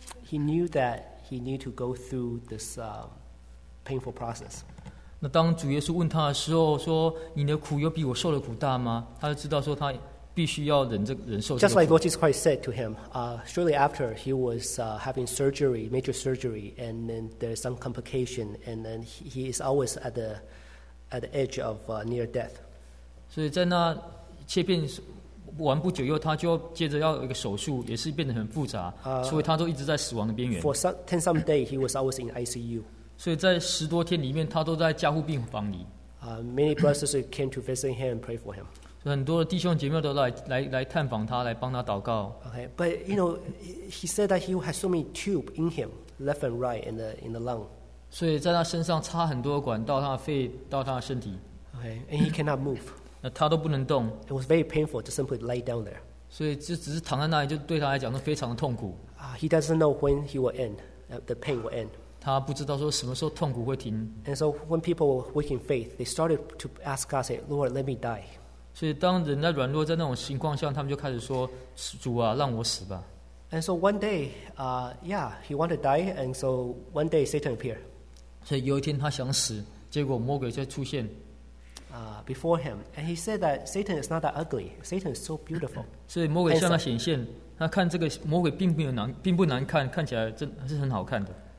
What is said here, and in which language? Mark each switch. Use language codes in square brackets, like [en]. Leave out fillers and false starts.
[en] He knew that he needed to go through this painful process. [zh] 那当主耶稣问他的时候，说你的苦有比我受的苦大吗？他就知道说他必须要忍这忍受这个苦。 [en] Just like Lord Jesus Christ said to him, shortly after he was having surgery, major surgery, and then there's some complication, and then he is always at the edge of near death. [zh] 所以在那切片完不久以后，他就接着要有一个手术，也是变得很复杂，所以他都一直在死亡的边缘。 [en] For some day, he was always in ICU. [zh] 所以在十多天里面，他都在加护病房里。 [en] Many brothers came to visit him and pray for him. [zh] 很多的弟兄姐妹都来探访他，来帮他祷告。 [en] Okay, but you know, he said that he had so many tubes in him, left and right, in the lung. [zh] 所以在他身上插很多管到他的肺，到他的身体。 [en] Okay, and he cannot move. [zh] 那他都不能动。 [en] It was very painful to simply lay down there. [zh] 所以就只是躺在那里，就对他来讲都非常的痛苦。 [en] He doesn't know when he will end, the pain will end. [zh] 他不知道说什么时候痛苦会停。 [en] And so when people were weak in faith, they started to ask God, say, "Lord, let me die." [zh] 所以当人在软弱在那种情况下，他们就开始说，主啊，让我死吧。 [en] And so one day, he wanted to die, and so one day Satan appeared. [zh] 所以有一天他想死，结果魔鬼就出现。 [en] Before him, and he said that Satan is not that ugly. Satan is so beautiful. [zh] 所以魔鬼向他显现，他看这个魔鬼并不难看，看起来真是很好看的。